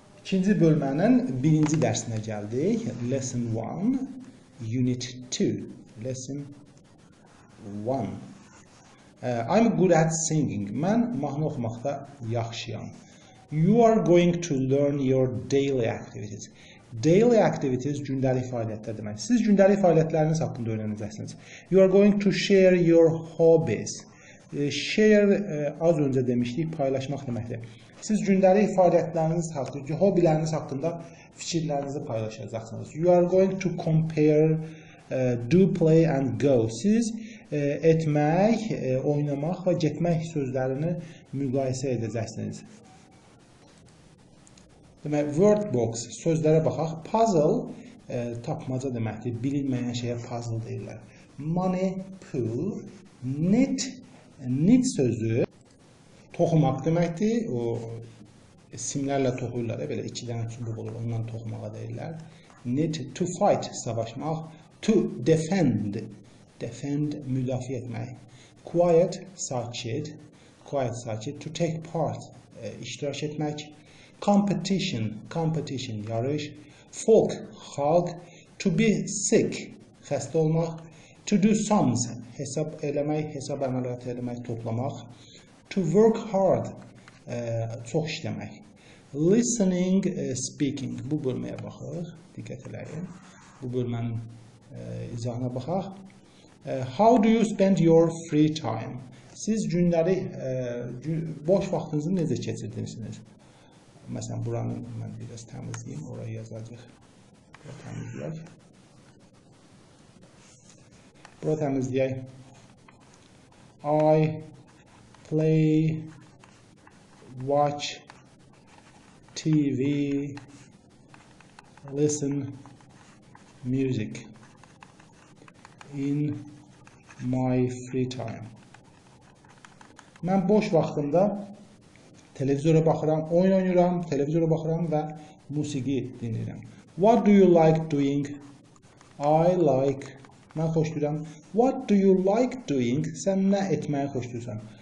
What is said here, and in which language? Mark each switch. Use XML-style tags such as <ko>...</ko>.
<az>İkinci bölmənin birinci dərsinə gəldik.</az> <en>Lesson 1, Unit 2. Lesson 1. I'm good at singing.</en> <az>Mən mahnı oxumaqda yaxşıyam.</az> <en>You are going to learn your daily activities.</en> <az>Daily activities gündəlik fəaliyyətlər demək. Siz gündəlik fəaliyyətləriniz haqqında öyrənəcəksiniz.</az> <en>You are going to share your hobbies.</en> <az>Az öncə demişdik, paylaşmaq deməkdir. Siz gündəlik fəaliyyətləriniz haqqında, hobbyləriniz haqqında fikirlərinizi paylaşacaqsınız.</az> <en>You are going to compare, do, play and go.</en> <az>Siz etmək, oynamaq və getmək sözlərini müqayisə edəcəksiniz. Demək, word box, sözlərə baxaq. Puzzle, tapmaca deməkdir, bilinməyən şeyə puzzle deyirlər.</az> <en>Money, pool, knit, knit sözü.</en> <az>Toxumaq deməkdir, o simlərlə toxuyurlar, belə iki dənə çubuq olur, ondan toxumağa deyirlər.</az> <en>Need to fight, savaşmaq. To defend, defend, müdafiə etmək. Quiet, sakit, quiet, sakit. To take part, iştirak etmək. Competition, competition, yarış. Folk, xalq. To be sick, xəstə olmaq.</en> <az>To do sums, hesab eləmək, hesab əməliyyatı eləmək, toplamaq.</az> <en>To work hard,</en> <az>çox işləmək. Listening, speaking, bu bölməyə baxıq, diqqət eləyin. Bu bölmənin izahına baxaq.</az> <en>How do you spend your free time?</en> <az>Siz günləri, boş vaxtınızı necə keçirdiniz? Məsələn, buranı mən bir az təmizləyim, oraya yazacaq. Bura təmizləyək. Bura təmizləyək.</az> <en>I play, watch TV, listen music in my free time.</en> <az>Mən boş vaxtımda televizora baxıram, oyun oynayıram, televizora baxıram və musiqi dinləyirəm.</az> <en>What do you like doing? I like,</en> <az>mən xoşlayıram.</az> <en>What do you like doing?</en> <az>Sən nə etməyi xoşlayırsan?</az>